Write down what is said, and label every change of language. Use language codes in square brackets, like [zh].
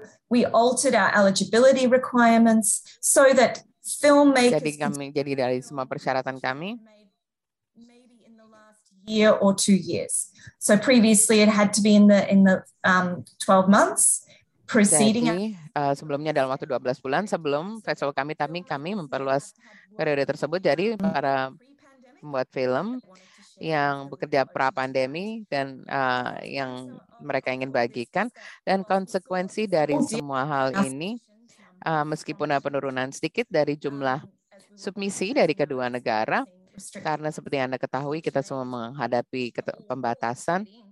[en] We altered our eligibility requirements so that filmmakers. [id] Jadi dari semua persyaratan kami. [en] Maybe in the last year or 2 years. So previously it had to be in the 12 months preceding. [id] Jadi sebelumnya dalam waktu 12 bulan sebelum festival kami, tapi kami memperluas periode tersebut. Jadi para membuat film yang bekerja pra pandemi dan yang mereka ingin bagikan dan konsekuensi dari semua hal ini meskipun ada penurunan sedikit dari jumlah submisi dari kedua negara karena seperti Anda ketahui kita semua menghadapi pembatasan.